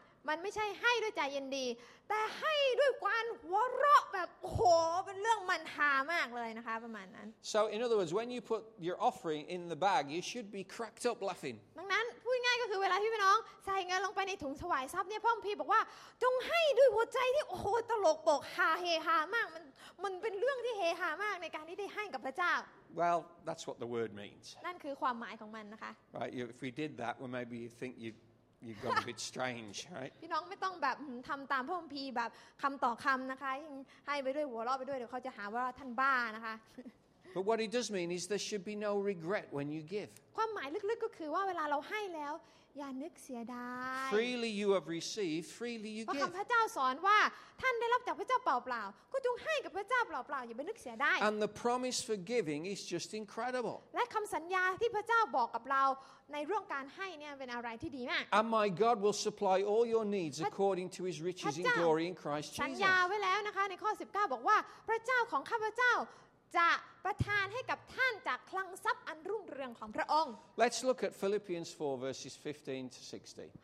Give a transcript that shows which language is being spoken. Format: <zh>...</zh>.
<th>มันไม่ใช่ให้ด้วยใจยินดีแต่ให้ด้วยความหัวเราะแบบโอ้โหเป็นเรื่องมันหามากเลยนะคะประมาณนั้น</th> <en>So in other words when you put your offering in the bag you should be cracked up laughing</en> <th>ดังนั้นพูดง่ายก็คือเวลาที่พี่น้องใส่เงินลงไปในถุงถวายทรัพย์เนี่ยพ่อพี่บอกว่าจงให้ด้วยหัวใจที่โอ้โหตลกโปกฮาเฮฮามากมันเป็นเรื่องที่เฮฮามากในการที่ได้ให้กับพระเจ้า</th> <en>Well that's what the word means</en> <th>นั่นคือความหมายของมันนะคะ</th> <en>Right if we did that well maybe you think you've gone a bit strange, right?</en> <th>พี่น้องไม่ต้องแบบทำตามพระคัมภีร์แบบคำต่อคำนะคะให้ไปด้วยหัวเราะไปด้วยเดี๋ยวเขาจะหาว่าท่านบ้านะคะ</th> <en>But what it does mean is there should be no regret when you give.</en> <th>ความหมายลึกๆก็คือว่าเวลาเราให้แล้วอย่านึกเสียดาย</th> <en>Freely you have received, freely you give.</en> <th>เพราะพระเจ้าสอนว่าท่านได้รับจากพระเจ้าเปล่าๆก็จงให้กับพระเจ้าเปล่าๆอย่าไปนึกเสียดาย</th> <en>And the promise for giving is just incredible.</en> <th>และคำสัญญาที่พระเจ้าบอกกับเราในเรื่องการให้เนี่ยเป็นอะไรที่ดีมาก</th> <en>And my God will supply all your needs according to His riches in glory in Christ Jesus.</en> <th>สัญญาไว้แล้วนะคะในข้อ19บอกว่าพระเจ้าของข้าพเจ้าจะประทานให้กับท่านจากคลังทรัพย์อันรุ่งเรืองของพระองค์</th> <en>Let's look at Philippians 4 verses 15 to 16</en>